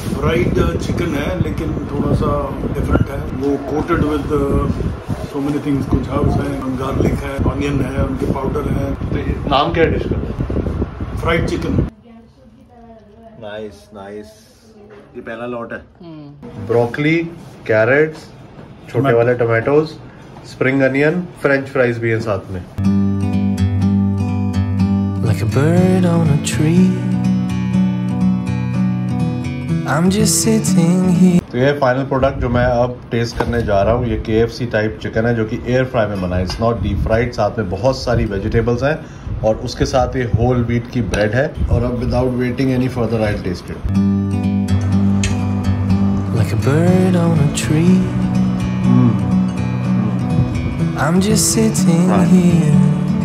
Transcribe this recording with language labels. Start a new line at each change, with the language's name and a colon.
Hindi: Fried chicken है लेकिन थोड़ा सा डिफरेंट है, वो
English: coated with so many things,
Hindi: कुछ हर्ब्स है, गार्लिक है, ऑनियन है, उनके पाउडर है। तो नाम क्या है डिश का? Fried chicken. Nice, ये पहला लॉट है। ब्रोकली, कैरेट्स, छोटे वाले tomatoes, spring onion, French fries भी है साथ में।
English: Like a bird on a tree, I'm just sitting here.
Hindi: तो ये फाइनल प्रोडक्ट जो मैं अब टेस्ट करने जा रहा हूँ, ये KFC टाइप चिकन है जो कि एयर फ्राई में बना है,
English: It's not deep fried.
Hindi: साथ में बहुत सारी वेजिटेबल्स हैं और उसके साथ ये होल व्हीट की ब्रेड है। और अब
English: Without waiting any further I will taste it. Like a bird on a tree, I am just sitting here.